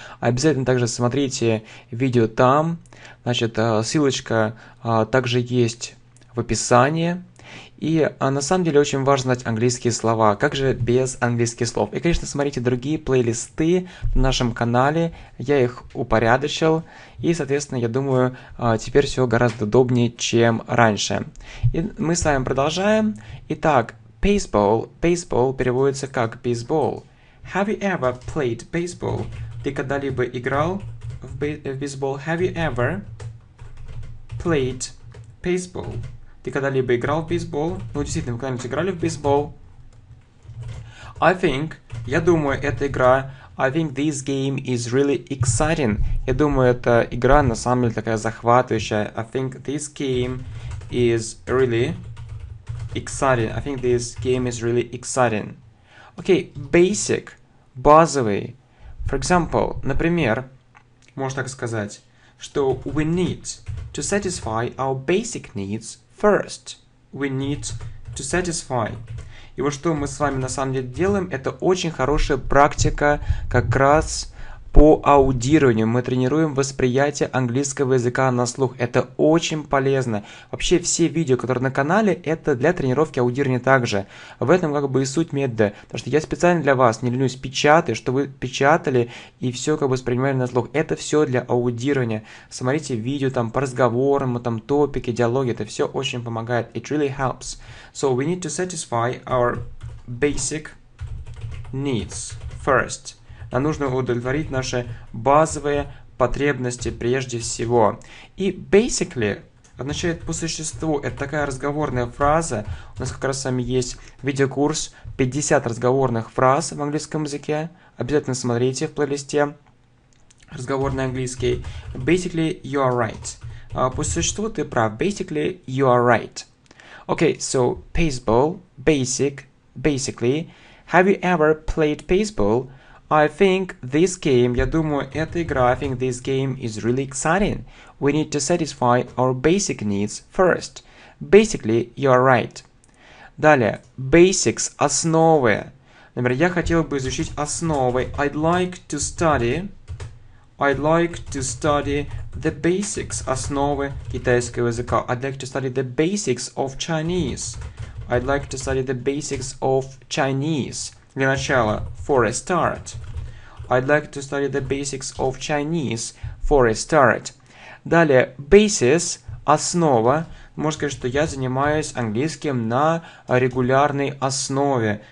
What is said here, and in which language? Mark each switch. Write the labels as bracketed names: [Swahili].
[Russian] Обязательно также смотрите видео там, значит, ссылочка также есть в описании. И на самом деле очень важно знать английские слова. Как же без английских слов? И, конечно, смотрите другие плейлисты на нашем канале. Я их упорядочил. И, соответственно, я думаю, теперь все гораздо удобнее, чем раньше. И мы с вами продолжаем. Итак, baseball. Baseball переводится как baseball. [English] Have you ever played baseball? [Russian] Ты когда-либо играл в baseball? [English] Have you ever played baseball? [Russian] Ты когда-либо играл в бейсбол? Ну, действительно, вы когда-нибудь играли в бейсбол? [English] I think, [Russian] я думаю, эта игра... [English] I think this game is really exciting. [Russian] Я думаю, эта игра на самом деле такая захватывающая. [English] I think this game is really exciting. I think this game is really exciting. [Russian] Окей, basic, базовый. [English] For example, [Russian] например, можно так сказать, что [English] we need to satisfy our basic needs. First, we need to satisfy. [Russian] И вот что мы с вами на самом деле делаем, это очень хорошая практика как раз по аудированию. Мы тренируем восприятие английского языка на слух. Это очень полезно. Вообще все видео, которые на канале, это для тренировки аудирования также. В этом как бы и суть метода. Потому что я специально для вас не ленюсь печатать, чтобы вы печатали и все как бы воспринимали на слух. Это все для аудирования. Смотрите видео там по разговорам, там топики, диалоги. Это все очень помогает. [English] It really helps. So we need to satisfy our basic needs first. [Russian] Нам нужно удовлетворить наши базовые потребности прежде всего. И basically означает по существу. Это такая разговорная фраза. У нас как раз с вами есть видеокурс 50 разговорных фраз в английском языке. Обязательно смотрите в плейлисте разговорный английский. [English] Basically, you are right. [Russian] По существу ты прав. [English] Basically, you are right. Okay, so baseball, basic, basically. Have you ever played baseball? I think this game, [Russian] я думаю, эта игра, [English] I think this game is really exciting. We need to satisfy our basic needs first. Basically, you are right. [Russian] Далее, basics, основы. Например, я хотел бы изучить основы. [English] I'd like to study the basics, [Russian] основы китайского языка. [English] I'd like to study the basics of Chinese. I'd like to study the basics of Chinese. [Russian] Для начала, [English] for a start. I'd like to study the basics of Chinese for a start. [Russian] Далее, basis, основа. Можно сказать, что я занимаюсь английским на регулярной основе.